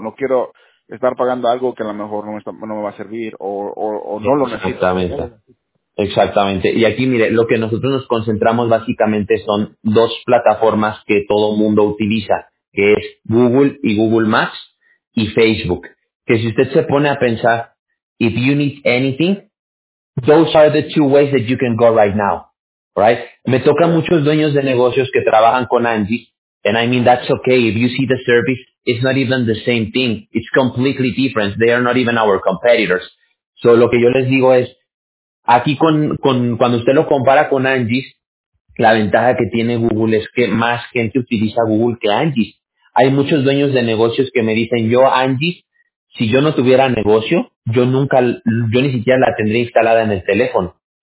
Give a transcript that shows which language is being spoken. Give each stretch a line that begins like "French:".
Spanish: No quiero estar pagando algo que a lo mejor no me va a servir o no lo necesito. Exactamente. Exactamente. Y aquí, mire, lo que nosotros nos concentramos básicamente son dos plataformas que todo mundo utiliza, que es Google y Google Maps y Facebook. Que si usted se pone a pensar,
English: if you need anything, those are the two ways that you can go right now, right?
Spanish: Me toca muchos dueños de negocios que trabajan con Angie,
English: and I mean, that's okay. If you see the service, it's not even the same thing. It's completely different. They are not even our competitors.
Spanish: So lo que yo les digo es, aquí cuando usted lo compara con Angie's, la ventaja que tiene Google es que más gente utiliza Google que Angie's. Hay muchos dueños de negocios que me dicen, yo Angie's, si yo no tuviera negocio, yo ni siquiera la tendría instalada en el teléfono.